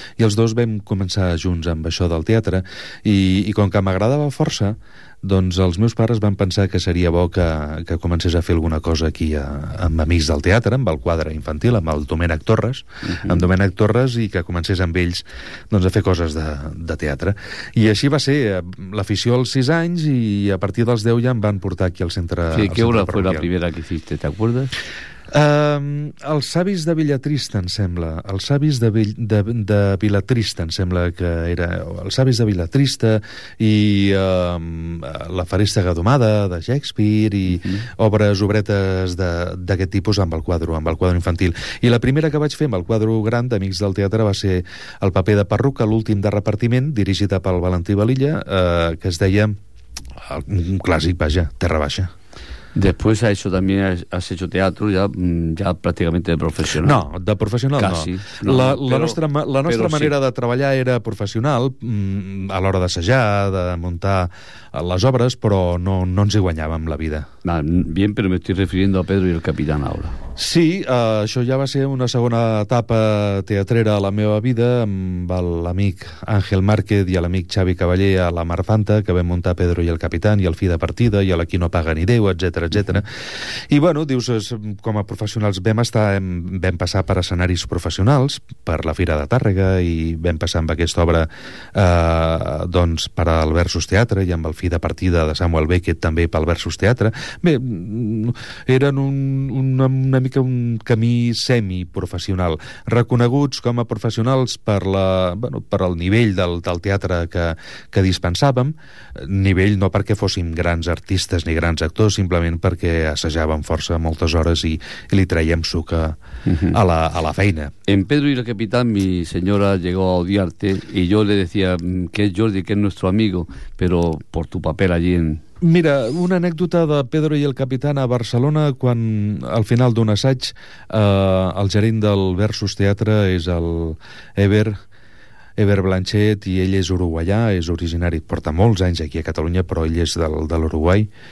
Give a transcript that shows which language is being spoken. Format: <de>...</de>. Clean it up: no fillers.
<ca>I els dos vam començar junts amb això del teatre i com que m'agradava força, doncs els meus pares van pensar que seria bo que comencés a fer alguna cosa aquí amb Amics del Teatre, amb el quadre infantil, amb el Domènec Torres, amb Domènec Torres, i que comencés amb ells doncs a fer coses de teatre. I així va ser l'afició als 6 anys i a partir dels 10 ja em van portar aquí al centre.</ca> <es>Sí, què hora fue la primera que hiciste, te acuerdas?</es> <ca>Els Savis de Villatrista, em sembla. Els Savis de Villatrista, em sembla que era... Els Savis de Villatrista i La Feréstega Domada, de Shakespeare, i obres, obretes d'aquest tipus amb el quadre infantil. I la primera que vaig fer amb el quadre gran d'Amics del Teatre va ser el paper de Perruca, l'últim de repartiment, dirigida pel Valentí Valilla, que es deia un clàssic, vaja, Terra Baixa.</ca> <es>Después has hecho también, has hecho teatro ya prácticamente de profesional. No, de profesional casi, no.</es> <ca>La nostra manera sí. de treballar era professional, a l'hora d'assajar, de muntar les obres, però no ens hi guanyàvem la vida.</ca> <es>Bien, pero me estoy refiriendo a Pedro y el Capitán ahora.</es> <ca>Sí, això ja va ser una segona etapa teatrera a la meva vida amb l'amic Àngel Márquez i l'amic Xavi Cavaller a la Marfanta, que vam muntar Pedro i el Capitán i el Fi de Partida i l'Aquí no paga ni Déu, etc. I bueno, dius, com a professionals vam passar per escenaris professionals, per la Fira de Tàrrega, i vam passar amb aquesta obra doncs per al Versus Teatre i amb el Fi de Partida de Samuel Beckett també pel Versus Teatre. Bé, eren una mica un camí semiprofessional, reconeguts com a professionals per el nivell del teatre que dispensàvem, nivell no perquè fóssim grans artistes ni grans actors, simplement perquè assajàvem força moltes hores i li traiem suc a la feina.</ca> <es>En Pedro y el Capitán mi señora llegó a odiarte y yo le decía que es Jordi, que es nuestro amigo, pero por tu papel allí en...</es> <ca>Mira, una anècdota de Pedro i el Capitán a Barcelona, quan al final d'un assaig el gerent del Versus Teatre és el Ever Blanchet, i ell és uruguaià, és originari, porta molts anys aquí a Catalunya, però ell és de l'Uruguai,</ca>